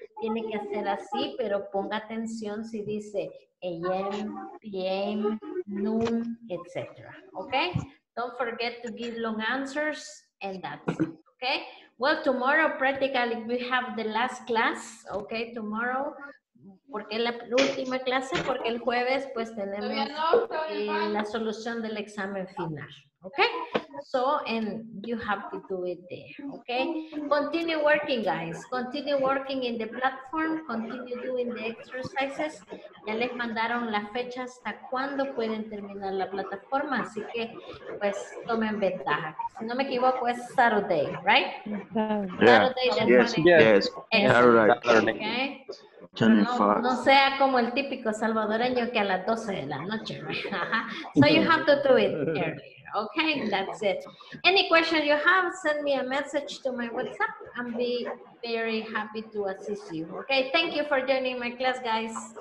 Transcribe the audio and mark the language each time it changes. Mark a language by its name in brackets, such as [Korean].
[Spanish] Tiene que hacer así, pero ponga atención si dice AM, PM, noon, etc. [English] Okay? Don't forget to give long answers and that's it. Okay? Well, tomorrow practically we have the last class. Okay? Tomorrow. [Spanish] Porque la última clase, porque el jueves pues tenemos la solución del examen final. [English] Okay? So, and you have to do it there. Okay? Continue working, guys. Continue working in the platform. Continue doing the exercises. [Spanish] Ya les mandaron la fecha hasta cuándo pueden terminar la plataforma. Así que, pues, tomen ventaja. Si no me equivoco, es [English] Saturday, right? Saturday. Yes. Saturday. Okay? [Spanish] No, no sea como el típico salvadoreño que a las 12 de la noche. [English] So you have to do it earlier. Okay, that's it. Any question you have, send me a message to my WhatsApp and be very happy to assist you. Okay, thank you for joining my class, guys.